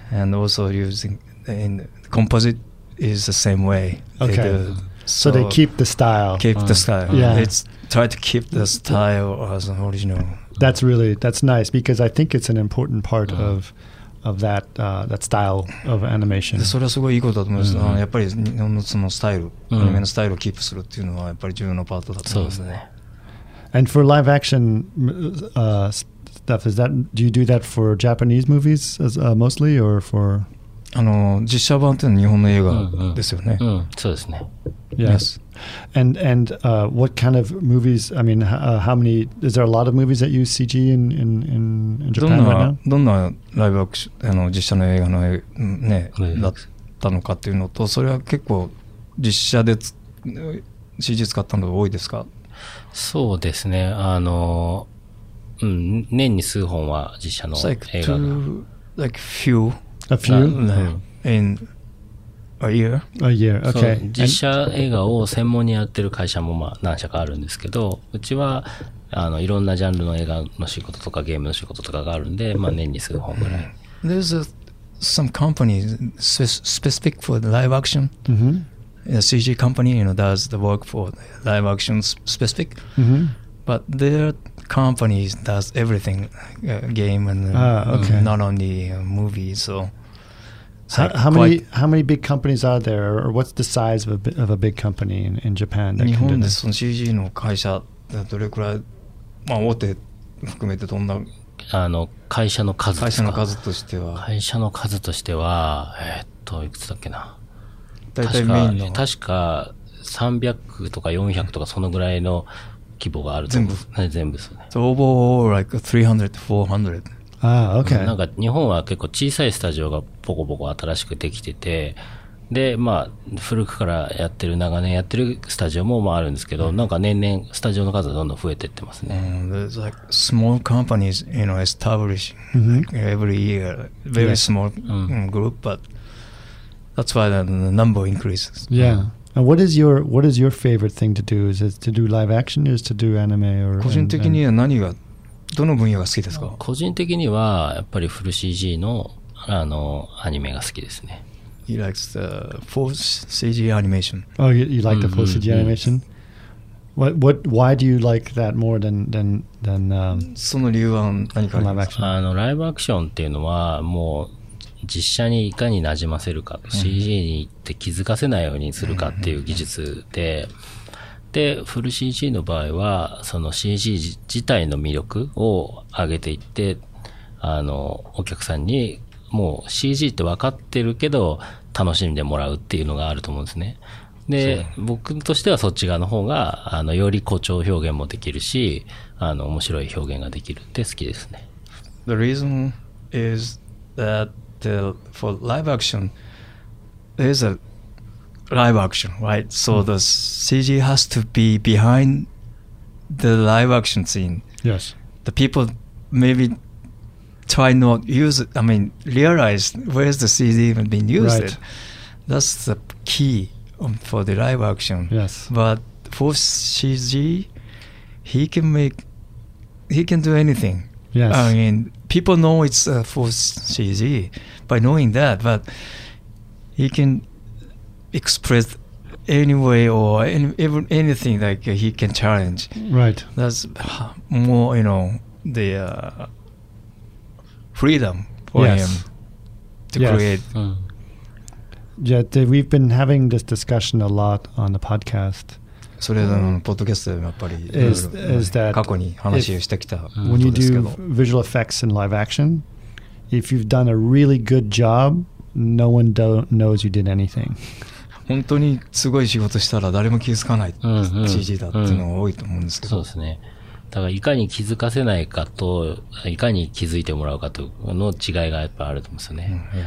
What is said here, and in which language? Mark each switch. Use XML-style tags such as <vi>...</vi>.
<en>And also using in the composite. Is the same way. Okay. So they keep the style. Keep the style. Yeah. It's try to keep the style as an original. That's nice because I think it's an important part of that, that style of animation.</en> <ja>それはすごいいいことだと思います。やっぱり日本のそのスタイル、アニメのスタイルをキープするっていうのはやっぱり重要なパートだと思います。そうですね。</ja> <en>And for live action, stuff, is that, do you do that for Japanese movies as, mostly or for...</en> <ja>実写版というのは日本の映画ですよね。うんうんうん、そうですね。</ja> <en>Yes. And what kind of movies? I mean, how many? Is there a lot of movies that use CG in Japan right now?</en> <ja>どんなライブアクション実写の映画のねだったのかっていうのと、それは結構実写で CG 使ったのが多いですか？そうですね。年に数本は実写の映画が。</ja> <en>Like few. A few in a year. A year. Okay.</en> <ja>実写映画を専門にやってる会社もまあ何社かあるんですけど、うちはいろんなジャンルの映画の仕事とかゲームの仕事とかがあるんで、まあ年に数本ぐらい。</ja> <en>There's some company specific for the live action. Mm-hmm. A CG company, you know, does the work for the live action specific. Mm-hmm. But their company does everything, game and okay. not only movies. So, how many big companies are there, or what's the size of a big company in Japan? That</en> <ja>日本でその CG の会社どれくらい、まあ、大手含めてどんな会社の数ですか？会社の数としては、いくつだっけな。大体メインの確か300とか400とかそのぐらいの。規模があると全部そうね。</ja> <en>So overall like 300 400. Ah, okay.</en> <ja>なんか日本は結構小さいスタジオがポコポコ新しくできてて、で、まあ古くからやってる長年やってるスタジオもまああるんですけど、なんか年々スタジオの数はどんどん増えてってますね。</ja> <en>There's like small companies, you know, establishing every year, very small group, but That's why the number increases. Yeah. And what is your favorite thing to do? Is it to do live action? Is it to do anime? Or</en> <ja>個人的には何がどの分野が好きですか？個人的にはやっぱりフル CG のあのアニメが好きですね。</ja> <en>He likes the full CG animation. Oh, you like the full CG animation? What? Why do you like that more than?</en> <ja>その理由は何か</ja> <en>live action?</en> <ja>あのライブアクションっていうのはもう実写にいかに馴染ませるか、CG にって気づかせないようにするかっていう技術で、で、フル CG の場合は、その CG 自体の魅力を上げていって、あの、お客さんに、もう CG って分かってるけど、楽しんでもらうっていうのがあると思うんですね。で、僕としてはそっち側の方が、あの、より誇張表現もできるし、あの、面白い表現ができるって好きですね。</ja> <en>The reason is that for live action, there's a live action, right? So the CG has to be behind the live action scene. Yes. The people maybe try not use it, I mean, realize where's the CG even been used. Right. That's the key for the live action. Yes. But for CG, he can do anything. Yes. I mean, people know it's for CG by knowing that, but he can express any way or anything like he can challenge. Right. That's more, you know, the freedom for yes. him to yes. create. Yeah, we've been having this discussion a lot on the podcast.</en> <ja>それのポッドキャストでやっぱり過去に話をしてきたことですけど、</ja> <en>when you do visual effects in live action, if you've done a really good job, no one knows you did anything.</en> <ja>本当にすごい仕事したら誰も気づかない CG だっていうのが多いと思うんですけど、そうですね。だからいかに気づかせないかといかに気づいてもらうかとの違いがやっぱあると思うんですよね。</ja>